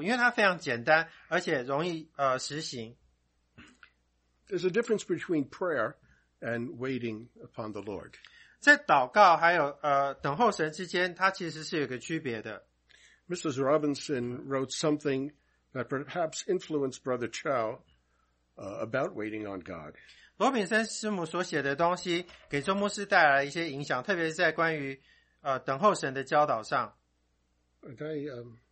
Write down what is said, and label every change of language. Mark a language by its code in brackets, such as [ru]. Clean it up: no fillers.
[zh] 那个英文版对我来说是一个极大的祝福，因为它非常简单，而且容易实行。 [en] There's a difference between prayer and waiting upon the Lord. [zh] 在祷告还有等候神之间，它其实是有个区别的。 [en] Mrs. Robinson wrote something that perhaps influenced Brother Chow about waiting on God. [zh] 罗炳森师母所写的东西给周牧师带来一些影响，特别是在关于等候神的教导上。 [en] And